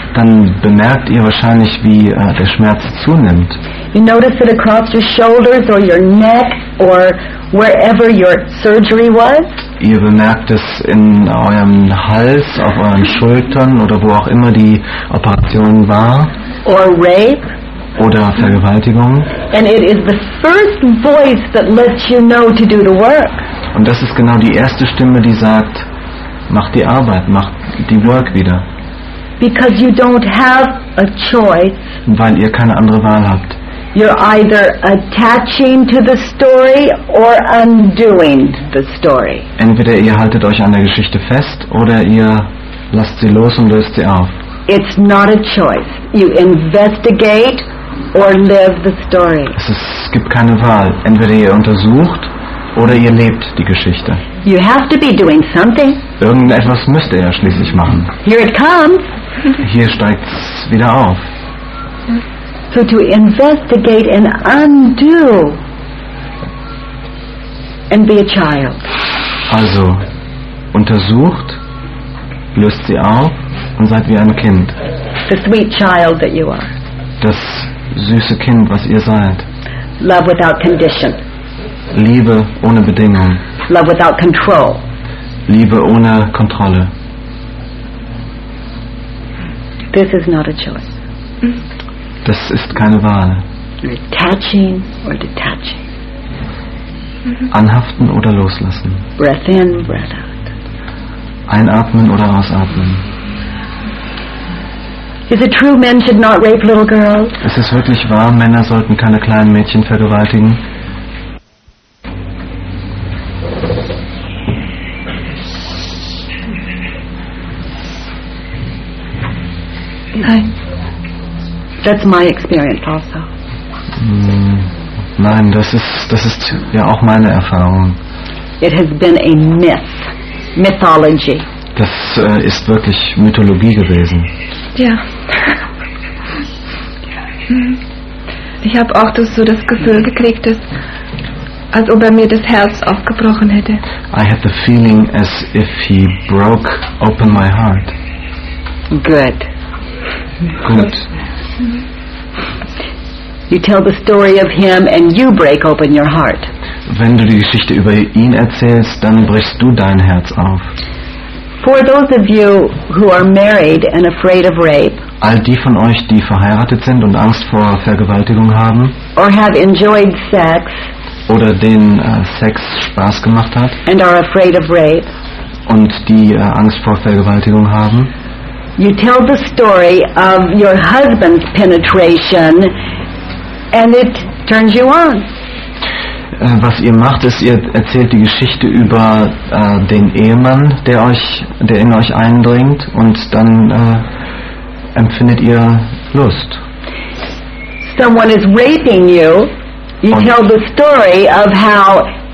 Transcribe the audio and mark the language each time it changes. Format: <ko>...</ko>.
<de>Dann bemerkt ihr wahrscheinlich, wie der Schmerz zunimmt.</de> <en>You notice it across your shoulders or your neck or wherever your surgery was.</en> <de>Ihr bemerkt es in eurem Hals, auf euren Schultern oder wo auch immer die Operation war.</de> <en>Or rape.</en> <de>Oder Vergewaltigung.</de> <en>And it is the first voice that lets you know to do the work.</en> <de>Und das ist genau die erste Stimme, die sagt, mach die Arbeit, mach die Work wieder.</de> <en>Because you don't have a choice.</en> <de>Weil ihr keine andere Wahl habt.</de> <en>You're either attaching to the story or undoing the story.</en> <de>Entweder ihr haltet euch an der Geschichte fest oder ihr lasst sie los und löst sie auf.</de> <en>It's not a choice. You investigate or live the story.</en> <de>Es gibt keine Wahl. Entweder ihr untersucht oder ihr lebt die Geschichte.</de> <en>You have to be doing something.</en> <de>Irgendetwas müsst ihr ja schließlich machen.</de> <en>Here it comes.</en> <de>Hier steigt's wieder auf.</de> <en>So to investigate and undo and be a child.</en> <de>Also, untersucht, löst sie auf und seid wie ein Kind.</de> <en>The sweet child that you are.</en> <de>Das süße Kind, was ihr seid.</de> <en>Love without condition.</en> <de>Liebe ohne Bedingung.</de> <en>Love without control.</en> <de>Liebe ohne Kontrolle.</de> <en>This is not a choice.</en> <de>Das ist keine Wahl.</de> <en>Attaching or detaching.</en> <de>Anhaften oder loslassen.</de> <en>Breath in, breath out.</en> <de>Einatmen oder ausatmen.</de> <en>Is it true men should not rape little girls?</en> <de>Ist es wirklich wahr, Männer sollten keine kleinen Mädchen vergewaltigen? Nein.</de> <en>That's my experience also.</en> <de>Nein, das ist ja auch meine Erfahrung.</de> <en>It has been a myth, mythology.</en> <de>Das ist wirklich Mythologie gewesen. Ja. Ich habe auch das Gefühl gekriegt, dass, als ob er mir das Herz aufgebrochen hätte.</de> <en>I had the feeling as if he broke open my heart. Good.</en> <de>Gut.</de> <en>You tell the story of him and you break open your heart.</en> <de>Wenn du die Geschichte über ihn erzählst, dann brichst du dein Herz auf.</de> <en>For those of you who are married and afraid of rape.</en> <de>All die von euch, die verheiratet sind und Angst vor Vergewaltigung haben.</de> <en>Or have enjoyed sex.</en> <de>Oder denen Sex Spaß gemacht hat.</de> <en>And are afraid of rape.</en> <de>Und die Angst vor Vergewaltigung haben.</de> <en>You tell the story of your husband's penetration and it turns you on.</en> <de>Was ihr macht, ist, ihr erzählt die Geschichte über den Ehemann, der in euch eindringt, und dann empfindet ihr Lust.</de> <en>Someone is raping you. You tell the story of how</en>